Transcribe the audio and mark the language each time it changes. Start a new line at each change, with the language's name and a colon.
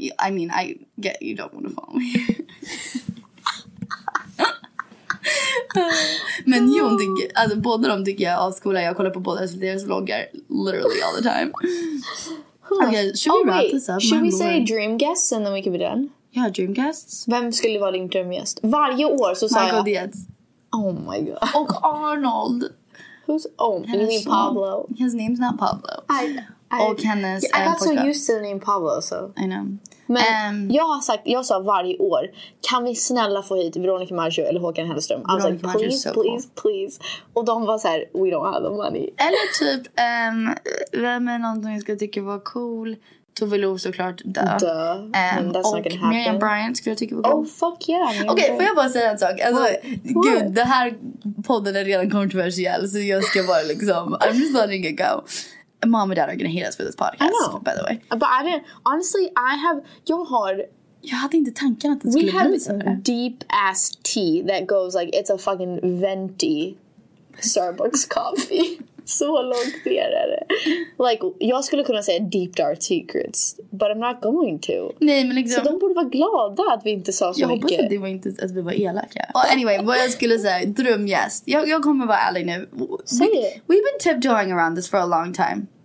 English: I mean, I get you don't want to follow me.
Swedish: Men Jon tycker, alltså båda de tycker jag avskola. Jag kollar på båda deras vloggar
English: literally all the time. Okay, should we wrap this up? Should we say dream guests and then we can be done? Yeah, dream guests.
Swedish: Vem skulle vara din drömgäst? Varje år så säger jag Michael Dietz.
English: Oh my god.
Swedish: Och Arnold.
English: Who's, oh, you mean Pablo? His name's not Pablo. I got so used to the name Pablo, so I know.
Swedish: Men jag har sagt, jag sa varje år, kan vi snälla få hit Veronica Maggio eller Håkan Hellström?
English: I was like, please.
Swedish: Och de var så här,
English: we don't have the money.
Swedish: Eller typ, vem är någon som jag ska tycka var cool? Tove Lo såklart,
English: duh. That's not gonna happen.
Swedish: Miriam Bryant skulle jag tycka var cool.
English: Oh, fuck yeah.
Swedish: Okej, får jag bara säga en sak? Alltså, gud, den här podden är redan kontroversiell, så jag ska bara liksom,
English: I'm just letting it go. Mom and dad are gonna hate us for this podcast, by the way. But I didn't, honestly, I have,
Swedish: jag hade inte tanken att det skulle bli så.
English: We have deep ass tea that goes like, it's a fucking venti Starbucks coffee.
Swedish: Så långt ner är det. Like, jag skulle kunna säga
English: deep dark secrets, but I'm not going to.
Swedish: Nej, men liksom. Så de borde vara glada att vi inte sa så mycket. Jag hoppas att det var inte att vi var elaka. Och anyway, vad jag skulle säga, drömgäst. Jag kommer vara ärlig nu. Säg det.
English: We've been tiptoeing around this for a long time.